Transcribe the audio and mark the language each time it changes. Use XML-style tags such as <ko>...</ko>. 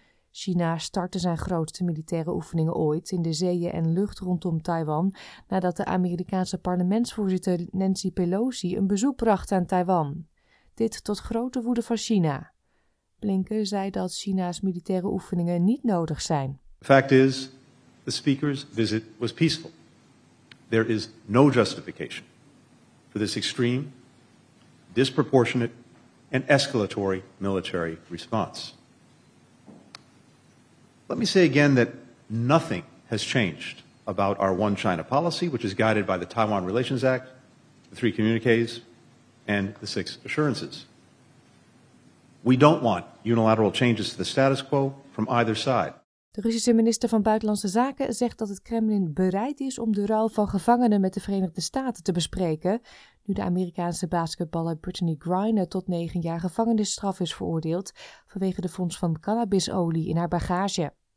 <nl>China startte zijn grootste militaire oefeningen ooit in de zeeën en lucht rondom Taiwan nadat de Amerikaanse parlementsvoorzitter Nancy Pelosi een bezoek bracht aan Taiwan. Dit tot grote woede van China. Blinken zei dat China's militaire oefeningen niet nodig zijn.</nl> <en>Fact is, the speaker's visit was peaceful. There is no justification for this extreme, disproportionate and escalatory military response. Let me say again that nothing has changed about our One China policy, which is guided by the Taiwan Relations Act, the three communiques, and the six assurances. We don't want unilateral changes to the status quo from either side.</en> <nl>De Russische minister van Buitenlandse Zaken zegt dat het Kremlin bereid is om de ruil van gevangenen met de Verenigde Staten te bespreken, nu de Amerikaanse basketballer Brittany Griner tot 9 jaar gevangenisstraf is veroordeeld vanwege de vondst van cannabisolie in haar bagage.</nl>